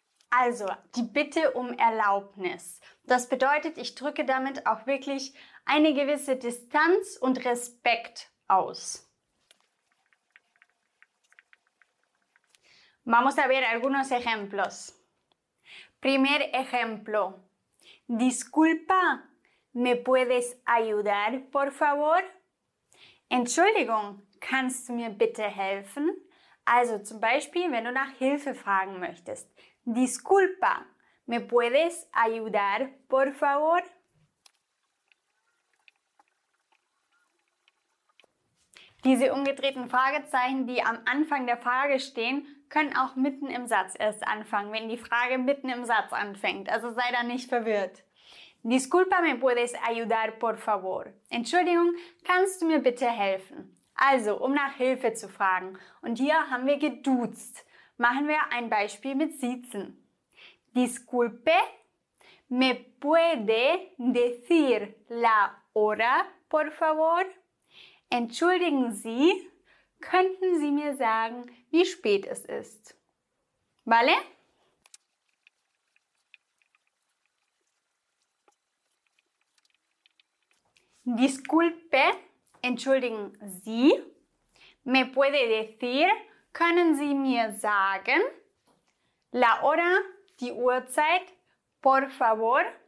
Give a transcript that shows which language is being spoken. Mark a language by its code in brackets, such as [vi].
[de] Also, die Bitte um Erlaubnis. Das bedeutet, ich drücke damit auch wirklich eine gewisse Distanz und Respekt aus. [es] Vamos a ver algunos ejemplos. Primer ejemplo. Disculpa, ¿me puedes ayudar, por favor? [de] Entschuldigung, kannst du mir bitte helfen? Also zum Beispiel, wenn du nach Hilfe fragen möchtest. [es] Disculpa, ¿me puedes ayudar, por favor? [de] Diese umgedrehten Fragezeichen, die am Anfang der Frage stehen, können auch mitten im Satz erst anfangen, wenn die Frage mitten im Satz anfängt. Also sei da nicht verwirrt. [es] Disculpa, ¿me puedes ayudar, por favor? [de] Entschuldigung, kannst du mir bitte helfen? Also, um nach Hilfe zu fragen. Und hier haben wir geduzt. Machen wir ein Beispiel mit Siezen. [es] Disculpe, ¿me puede decir la hora, por favor? [de] Entschuldigen Sie, könnten Sie mir sagen, wie spät es ist? [es] Vale? Disculpe, [de] entschuldigen Sie, [es] ¿me puede decir, [de] können Sie mir sagen, [es] la hora, [de] die Uhrzeit, [es] por favor?